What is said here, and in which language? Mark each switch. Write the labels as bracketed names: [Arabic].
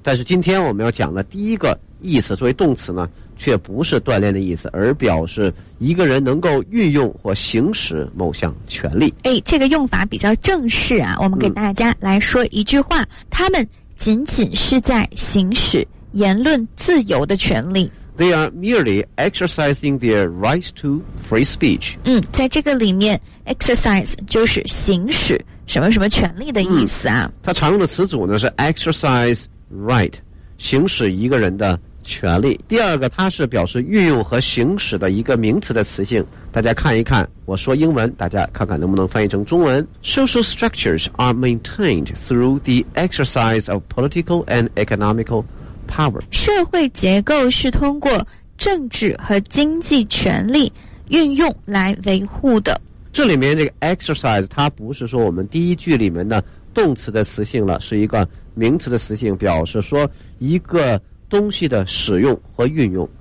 [Chinese] 但是今天我们要讲的第一个意思作为动词呢，却不是锻炼的意思，而表示一个人能够运用或行使某项权利。哎，这个用法比较正式啊，我们给大家来说一句话，他们仅仅是在行使言论自由的权利。 [English] They are merely exercising their right to free speech. [Chinese] 在这个里面 exercise 就是行使什么什么权利的意思啊。它常用的词组呢是 [English] exercise right， [Chinese] 行使一个人的权利。第二个，它是表示运用和行使的一个名词的词性。大家看一看，我说英文，大家看看能不能翻译成中文。 [English] Social structures are maintained through the exercise of political and economical power. [Chinese] 社会结构是通过政治和经济权力运用来维护的。这里面这个 exercise 它不是说我们第一句里面的动词的词性了，是一个名词的词性，表示说一个东西的使用和运用。